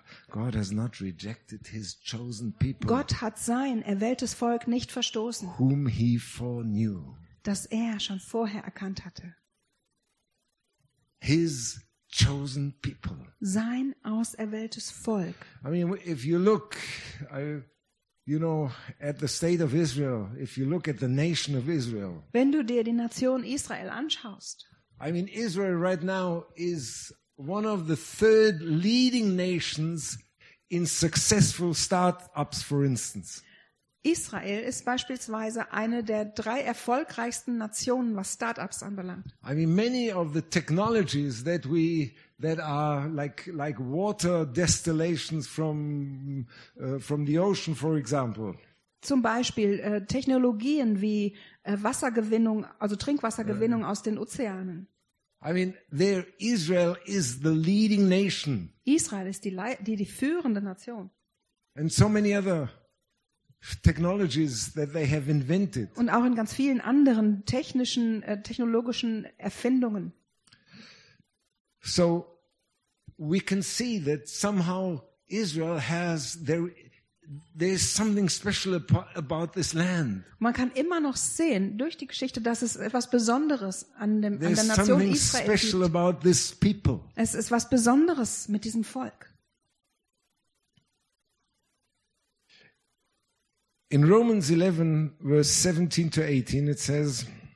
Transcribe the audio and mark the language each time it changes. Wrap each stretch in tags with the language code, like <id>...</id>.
<en>God has not rejected his chosen people.</en> <de>Gott hat sein erwähltes Volk nicht verstoßen.</de> <en>Whom he foreknew.</en> <de>Das er schon vorher erkannt hatte.</de> <en>His chosen people.</en> <de>Sein auserwähltes Volk.</de> <en>I mean, if you look, you know, at the state of Israel, if you look at the nation of Israel.</en> <de>Wenn du dir die Nation Israel anschaust.</de> <en>I mean, Israel right now is one of the third leading nations in successful startups, for instance.</en> <de>Israel ist beispielsweise eine der drei erfolgreichsten Nationen, was Startups anbelangt.</de> <en>I mean, many of the technologies that we that are like water distillations from the ocean, for example.</en> <de>Zum Beispiel Technologien wie Wassergewinnung, also Trinkwassergewinnung aus den Ozeanen.</de> <en>I mean, there Israel is the leading nation.</en> <de>Israel ist die führende Nation.</de> <en>And so many other technologies that they have invented.</en> <de>Und auch in ganz vielen anderen technischen technologischen Erfindungen.</de> <en>So we can see that somehow Israel has there's something special about this land.</en> <de>Man kann immer noch sehen durch die Geschichte, dass es etwas Besonderes an dem an der Nation Israel gibt.</de> <en>There's something special about this people.</en> <de>Es ist was Besonderes mit diesem Volk.</de> <en>In Romans 11, verse 17 to 18, it says,</en>